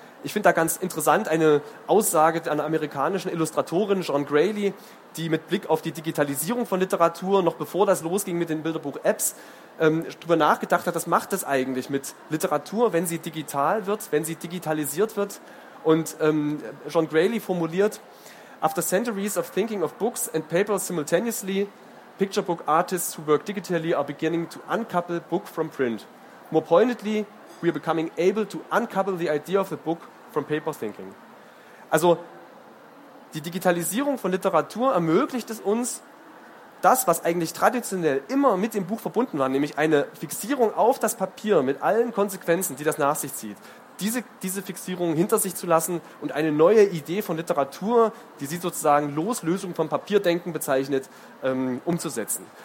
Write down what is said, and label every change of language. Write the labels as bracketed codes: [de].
[de] Ich finde da ganz interessant eine Aussage einer amerikanischen Illustratorin, Jean Grayley, die mit Blick auf die Digitalisierung von Literatur, noch bevor das losging mit den Bilderbuch-Apps, darüber nachgedacht hat, was macht das eigentlich mit Literatur, wenn sie digital wird, wenn sie digitalisiert wird. Und Jean Grayley formuliert, [en] "After centuries of thinking of books and papers simultaneously, picture book artists who work digitally are beginning to uncouple book from print. More pointedly, we are becoming able to uncouple the idea of the book from paper thinking." [de] Also, die Digitalisierung von Literatur ermöglicht es uns, das, was eigentlich traditionell immer mit dem Buch verbunden war, nämlich eine Fixierung auf das Papier mit allen Konsequenzen, die das nach sich zieht, diese Fixierung hinter sich zu lassen und eine neue Idee von Literatur, die sie sozusagen Loslösung vom Papierdenken bezeichnet, umzusetzen.